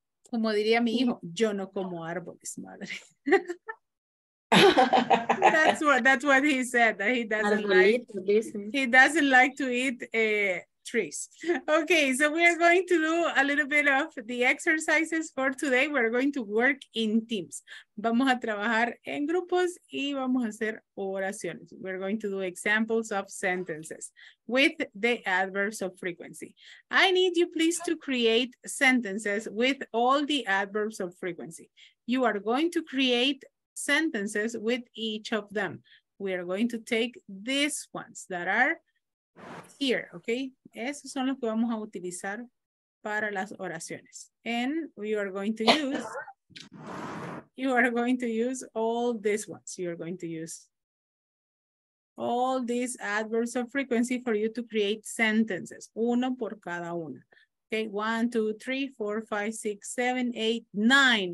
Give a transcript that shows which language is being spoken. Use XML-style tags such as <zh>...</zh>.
<es>Como diría mi hijo, yo no como árboles, madre.</es> <en>That's what he said, that he doesn't like. He doesn't like to eat trees. Okay, so we are going to do a little bit of the exercises for today. We're going to work in teams.</en> <es>Vamos a trabajar en grupos y vamos a hacer oraciones.</es> <en>We're going to do examples of sentences with the adverbs of frequency. I need you please to create sentences with all the adverbs of frequency. You are going to create sentences with each of them. We are going to take these ones that are here, okay?</en> <es>Esos son los que vamos a utilizar para las oraciones.</es> <en>And you are going to use all these ones. You are going to use all these adverbs of frequency for you to create sentences,</en> <es>uno por cada una.</es> <en>Okay, 1, 2, 3, 4, 5, 6, 7, 8, 9.</en>